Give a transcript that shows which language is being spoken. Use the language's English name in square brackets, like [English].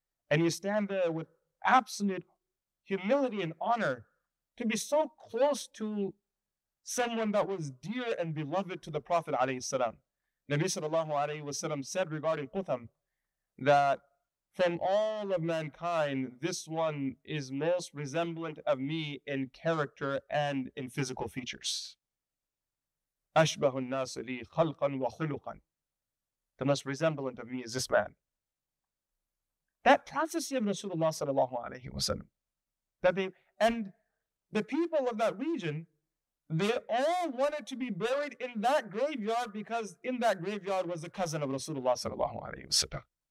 [English] And you stand there with absolute humility and honor to be so close to someone that was dear and beloved to the Prophet alayhi salam. Nabi sallallahu alayhi wa sallam said regarding Qutam, that from all of mankind, this one is most resemblant of me in character and in physical features. [Arabic] أَشْبَهُ النَّاسُ لِي خَلْقًا وَخُلُقًا. [English] The most resemblant of me is this man. That prophecy of Rasulullah sallallahu alayhi wa sallam, and the people of that region, they all wanted to be buried in that graveyard because in that graveyard was the cousin of Rasulullah sallallahu alayhi wa sallam.